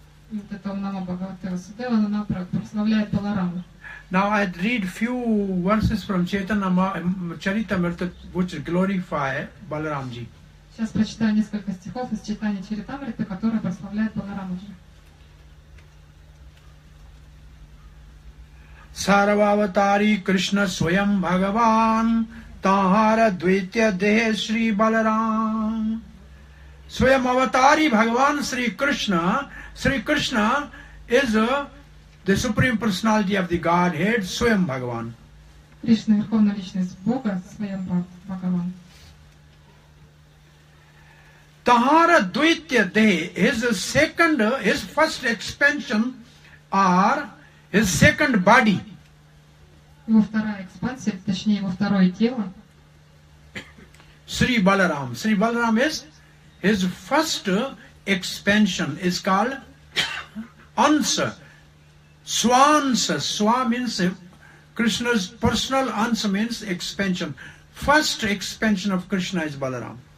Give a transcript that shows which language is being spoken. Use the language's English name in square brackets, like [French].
[Russian] И вот это Om Namo Bhagavate Vasudeva, она прославляет Баларама. [English] Now I read few verses from Chaitanya Charitamrita which glorify Balaramji. [Russian] Сейчас прочитаю несколько стихов из читания Чаритамриты, которые прославляют Баларамаджи. [Sanskrit] Сарвавтари Кришна Своям Бхагаван Тахара Двитья Дехе Шри Баларам. Своям Аватари Бхагаван Шри Кришна. [English] Шри Кришна is the Supreme Personality of the Godhead, Своям Бхагаван. [Russian] Кришна, Верховная Личность Бога, Своям Бхагаван. [English] Tahara Dvitya Dehe, his first expansion, or his second body. [Russian] Его вторая экспансия, точнее его второе тело. [English] Sri Balaram. Sri Balaram is his first expansion, is called Ansa. Swansa. Swa means Krishna's personal Ansa means expansion. First expansion of Krishna is Balaram.